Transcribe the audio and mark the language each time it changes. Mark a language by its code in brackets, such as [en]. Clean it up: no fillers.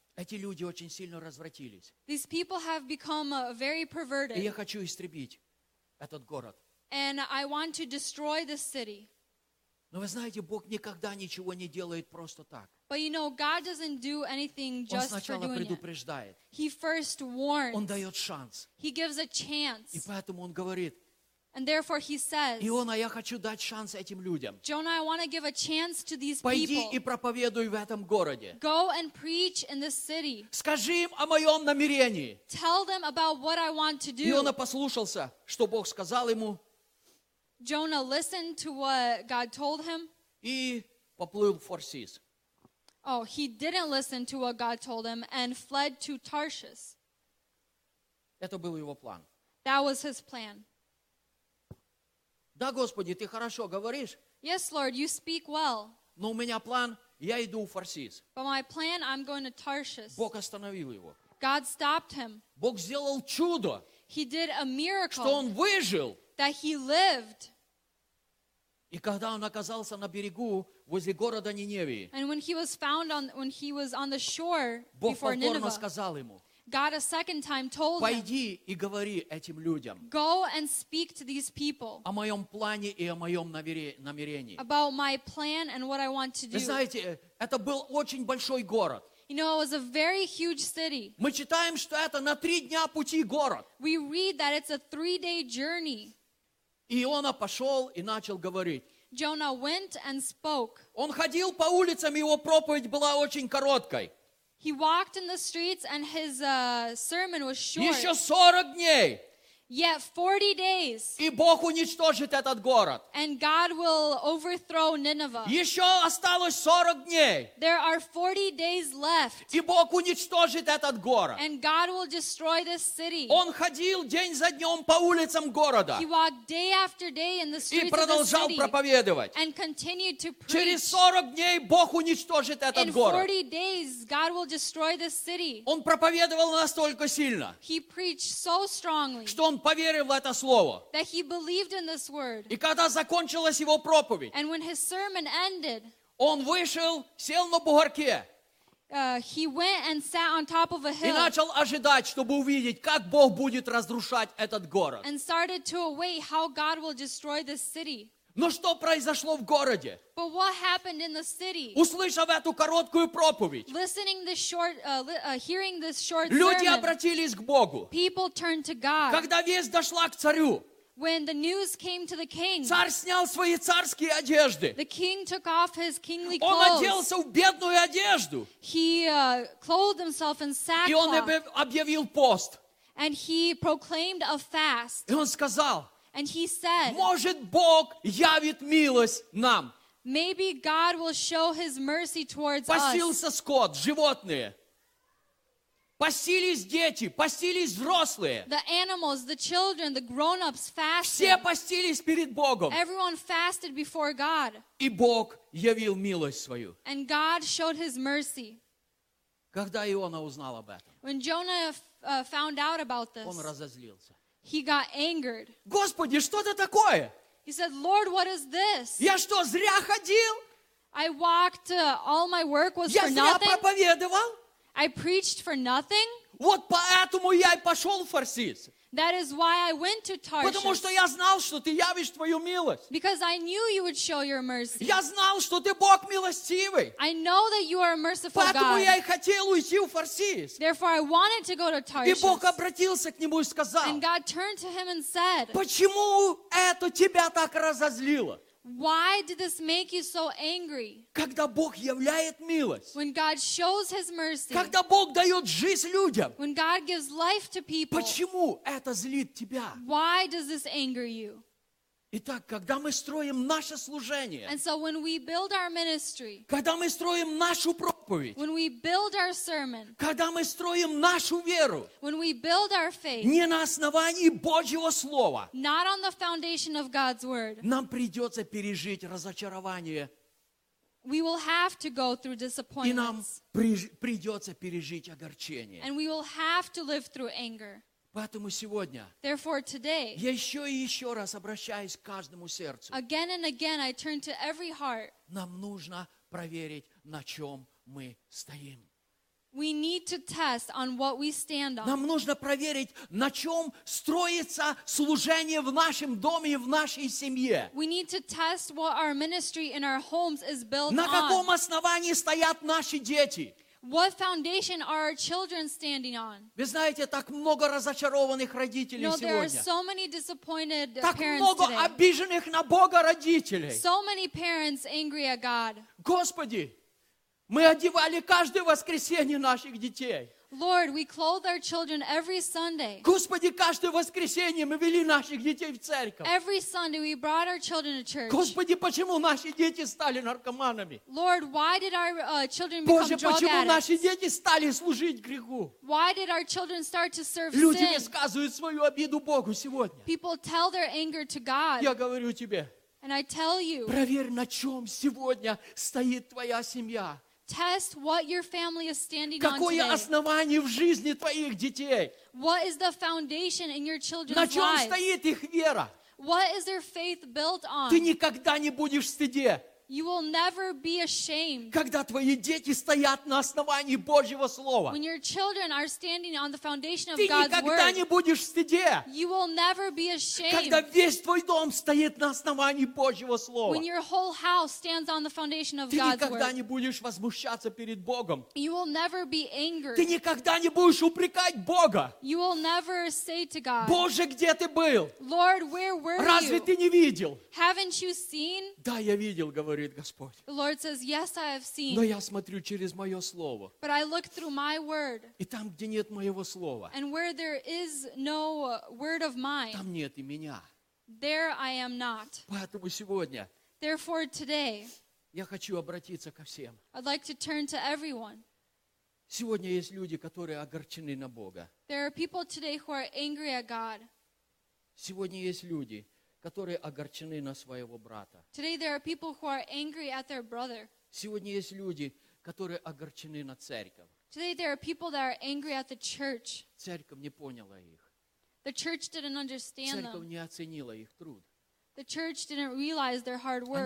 [ru] Эти люди очень сильно развратились. [en] These people have become very perverted. [ru] И я хочу истребить этот город. [en] And I want to destroy this city. [ru] Но вы знаете, Бог никогда ничего не делает просто так. [en] But you know, God doesn't do anything just for doing it. [ru] Он сначала предупреждает. [en] He first warns. [ru] Он дает шанс. [en] He gives a chance. [ru] И поэтому он говорит. [en] And therefore he says. [ru] Иона, я хочу дать шанс этим людям. [en] Jonah, I want to give a chance to these [ru] Пойди [en] people. [ru] Пойди и проповедуй в этом городе. [en] Go and preach in this city. [ru] Скажи им о моем намерении. [en] Tell them about what I want to do. [ru] Иона послушался, что Бог сказал ему. [en] Jonah listened to what God told him. [ru] И поплыл в Фарсис. [en] Oh, he didn't listen to what God told him and fled to Tarshish. [ru] Это был его план. [en] That was his plan. [ru] Да, Господи, ты хорошо говоришь. [en] Yes, Lord, you speak well. [ru] Но у меня план, я иду в Фарсис. [en] But my plan, I'm going to Tarshish. [ru] Бог остановил его. [en] God stopped him. [ru] Бог сделал чудо. [en] He did a miracle. [ru] Что он выжил. [en] That he lived. [ru] И когда он оказался на берегу возле города Ниневии, [en] and when he was found on when he was on the shore [ru] Бог [en] before Nineveh, [ru] сказал ему, [en] God a second time told him, [ru] пойди и говори этим людям, [en] go and speak to these people, [ru] о моем плане и о моем намерении, [en] about my plan and what I want to do. [ru] Вы знаете, это был очень большой город. [en] You know, it was a very huge city. [ru] Мы читаем, что это на три дня пути город. [en] We read that it's a 3-day journey. [ru] Иона пошел и начал говорить. [en] Jonah went and spoke. [ru] Он ходил по улицам, его проповедь была очень короткой. [en] He walked in the streets and his sermon was short. [ru] Еще 40 дней. [en] Yet 40 days. [ru] И Бог уничтожит этот город. [en] And God will overthrow Nineveh. [ru] Еще осталось 40 дней. [en] There are 40 days left. [ru] И Бог уничтожит этот город. [en] And God will destroy this city. [ru] Он ходил день за днем по улицам города. [en] He walked day after day in the streets of the city. [ru] И продолжал проповедовать. [en] And continued to preach. [ru] Через 40 дней Бог уничтожит этот город. [en] In 40 days, God will destroy this city. [ru] Он проповедовал настолько сильно. [en] He preached so strongly. [ru] Он поверил в это слово. [en] That he believed in this word. [ru] И когда закончилась его проповедь, [en] and when his sermon ended, [ru] он вышел, сел на бугорке, [en] he went and sat on top of a hill, [ru] и начал ожидать, чтобы увидеть, как Бог будет разрушать этот город. [en] And started to await how God will destroy this city. [ru] Но что произошло в городе? [en] But what happened in the city? [ru] Услышав эту короткую проповедь, [en] listening this short, hearing this short sermon, [ru] люди обратились к Богу. [en] People turned to God. [ru] Когда весть дошла к царю, [en] when the news came to the king, [ru] царь снял свои царские одежды. [en] The king took off his kingly clothes. [ru] Он оделся в бедную одежду. [en] He clothed himself in sackcloth. [ru] И он объявил пост. [en] And he proclaimed a fast. [ru] И он сказал, [en] and he said, [ru] может, Бог явит милость нам. [en] Maybe God will show his mercy towards [ru] пасился [en] us. [ru] Скот, животные. Пасились дети, пасились взрослые. [en] The animals, the children, the grown-ups fasted. [ru] Все пастились перед Богом. [en] Everyone fasted before God. [ru] И Бог явил милость свою. [en] And God showed his mercy. [ru] Когда Иона узнал об этом, [en] when Jonah found out about this, [ru] он разозлился. [en] He got angered. [ru] Господи, что это такое? [en] He said, Lord, what is this? [ru] Я что, зря ходил? [en] I walked, all my work was [ru] я [en] for nothing. [ru] Я зря проповедовал? [en] I preached for nothing. [ru] Вот поэтому я и пошел в Фарсис. [en] That is why I went to Tarshish. [ru] Потому что я знал, что ты явишь твою милость. [en] Because I knew you would show your mercy. [ru] Я знал, что ты Бог милостивый. [en] I know that you are a merciful [ru] поэтому Поэтому я и хотел уйти в Фарсис. [en] Therefore I wanted to go to Tarshish. [ru] И Бог обратился к нему и сказал, [en] and God turned to him and said, [ru] почему это тебя так разозлило? [en] Why did this make you so angry? [ru] Когда Бог являет милость. [en] When God shows his mercy. [ru] Когда Бог дает жизнь людям. [en] When God gives life to people. [ru] Почему это злит тебя? [en] Why does this anger you? [ru] Итак, когда мы строим наше служение, [en] and so when we build our ministry, [ru] когда мы строим нашу проповедь, [en] when we build our sermon, [ru] когда мы строим нашу веру, [en] when we build our faith, [ru] не на основании Божьего слова, [en] not on the foundation of God's word, [ru] нам придется пережить разочарование. [en] We will have to go through disappointments. [ru] И нам придется пережить огорчение. [en] And we will have to live through anger. [ru] Поэтому сегодня [en] therefore today, [ru] я еще и еще раз обращаюсь к каждому сердцу. [en] Again and again I turn to every heart. [ru] Нам нужно проверить, на чем мы стоим. [en] We need to test on what we stand on. [ru] Нам нужно проверить, на чем строится служение в нашем доме и в нашей семье. [en] We need to test what our ministry in our homes is built on. [ru] На каком основании стоят наши дети? [en] What foundation are our children standing on? [ru] Вы знаете, так много разочарованных родителей [en] no, [ru] сегодня. [en] There are so many disappointed [ru] так [en] parents [ru] много [en] today. [ru] Обиженных на Бога родителей. [en] So many parents angry at God. [ru] Господи, мы одевали каждое воскресенье наших детей. [en] Lord, we clothe our children every Sunday. [ru] Господи, каждое воскресенье мы вели наших детей в церковь. [en] Every Sunday we brought our children to church. [ru] Господи, почему наши дети стали наркоманами? [en] Lord, why did our children [ru] Боже, [en] become drug [ru] почему [en] addicts? [ru] Наши дети стали служить греху? [en] Why did our children start to serve [ru] Люди [en] sin? [ru] Люди высказывают свою обиду Богу сегодня. [en] People tell their anger to God. [ru] Я говорю тебе. [en] And I tell you. [ru] Проверь, на чем сегодня стоит твоя семья. [en] Test what your family is standing [ru] Какое [en] on today. [ru] Какое основание в жизни твоих детей? [en] What is the foundation in your children's lives? [ru] На чем [en] lives? [ru] Стоит их вера? [en] What is their faith built on? [ru] Ты никогда не будешь в стыде. [en] You will never be ashamed. [ru] Когда твои дети стоят на основании Божьего слова. [en] When your children are standing on the foundation of [ru] Ты [en] God's word. [ru] Ты никогда не будешь в стыде. [en] You will never be ashamed. [ru] Когда весь твой дом стоит на основании Божьего слова. [en] When your whole house stands on the foundation of [ru] Ты [en] God's word. [ru] Ты никогда не будешь возмущаться перед Богом. [en] You will never be angry. [ru] Ты никогда не будешь упрекать Бога. [en] You will never say to God. [ru] Боже, где ты был? [en] Lord, where were you? [ru] Разве ты не видел? [en] Haven't you seen? [ru] Да, я видел, говорю. Говорит Господь. [en] The Lord says, yes, I have seen. [ru] Но я смотрю через мое слово. [en] But I look through my word. [ru] И там, где нет моего слова. [en] And where there is no word of mine. [ru] Там нет и меня. [en] There I am not. [ru] Поэтому сегодня. [en] Therefore today. [ru] Я хочу обратиться ко всем. [en] I'd like to turn to everyone. [ru] Сегодня есть люди, которые огорчены на Бога. [en] There are people today who are angry at God. [ru] Сегодня есть люди. Которые огорчены на своего брата. [en] Today there are people who are angry at their brother. [ru] Сегодня есть люди, которые огорчены на церковь. [en] Today there are people that are angry at the church. [ru] Церковь не поняла их. [en] The church didn't understand [ru] церковь [en] them. [ru] Не оценила их труд. [en] The church didn't realize their hard work.